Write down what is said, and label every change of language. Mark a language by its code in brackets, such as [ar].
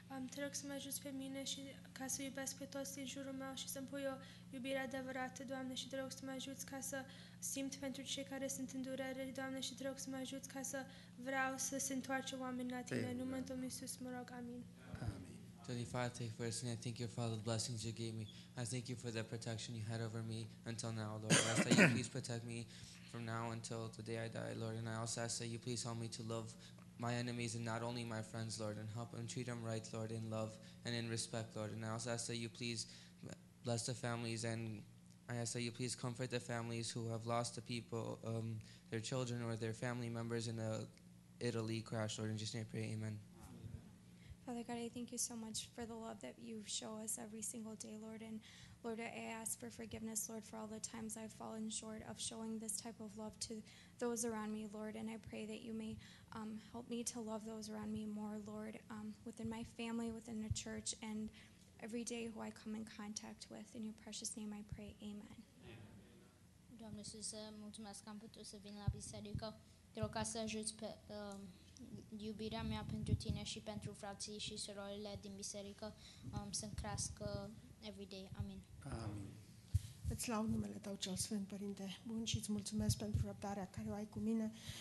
[ro] Te rog să mă ajuți pe mine și ca să iubesc pe toți din jurul meu și să-mi pui o iubire adevărată, Doamne, și te rog să mă ajuți ca să simt pentru cei care sunt în durere, Doamne, și te rog să mă ajuți ca să vreau să se întoarce oamenii la Tine. În numele Domnului Iisus, mă rog, amin. Amin. [en] Tony Father, take first, and I thank You for all the blessings You gave me. I thank You for the protection You had over me until now, Lord. I ask that You please protect me from now until the day I die, Lord. And I also ask that You please help me to love my enemies and not only my friends, Lord, and help them treat them right, Lord, in love and in respect, Lord. And I also ask that You please bless the families, and I ask that You please comfort the families who have lost the people, their children or their family members in the Italy crash, Lord. In Jesus' name I pray, amen. Father God, I thank You so much for the love that You show us every single day, Lord. And Lord, I ask for forgiveness, Lord, for all the times I've fallen short of showing this type of love to those around me, Lord. And I pray that You may help me to love those around me more, Lord, within my family, within the church, and every day who I come in contact with. In Your precious name I pray, amen. [ro] Doamne Iisuse, mulțumesc că am putut să vin la biserică. Te rog ca să ajuți pe iubirea mea pentru Tine și pentru frații și surorile din biserică să-mi crească [en] every day. [ro] Amin. Amin. Îți laud numele Tău cel Sfânt, Părinte Bun, și îți mulțumesc pentru răbdarea care o ai cu mine.